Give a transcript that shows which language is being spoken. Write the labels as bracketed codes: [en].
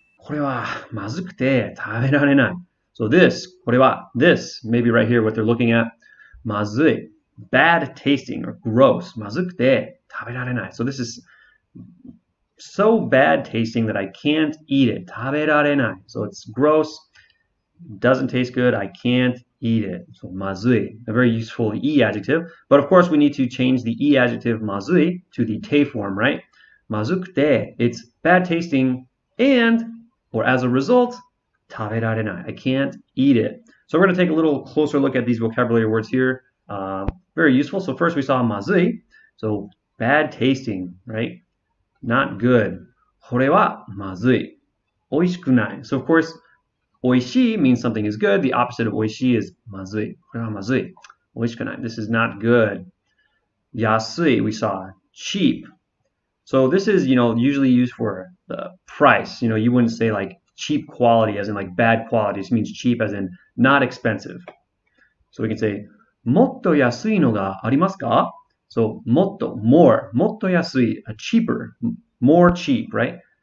[ja] これはまずくて食べられない. [en] So this, [ja] これは, [en] this, maybe right here what they're looking at. まずい, bad tasting or gross. [ja] まずくて食べられない. [en] So this is so bad tasting that I can't eat it. [ja] 食べられない. [en] So it's gross, doesn't taste good, I can't eat it. So まずい, a very useful E adjective. But of course we need to change the E adjective まずい to the te form, right? まずくて, it's bad tasting, and, or as a result, [ja] 食べられない, [en] I can't eat it. So we're going to take a little closer look at these vocabulary words here. Very useful. So first we saw まずい, so bad tasting, right? Not good. [ja] これはまずい, 美味しくない. [en] So of course, 美味しい means something is good. The opposite of 美味しい is まずい. [ja] これはまずい, 美味しくない. [en] This is not good. 安い, we saw cheap. So this is, you know, usually used for the price. You know, you wouldn't say like cheap quality as in like bad quality. This means cheap as in not expensive. So we can say, [ja] もっと安いのがありますか? [en] So, もっと, more. もっと安い, a cheaper, more cheap, right?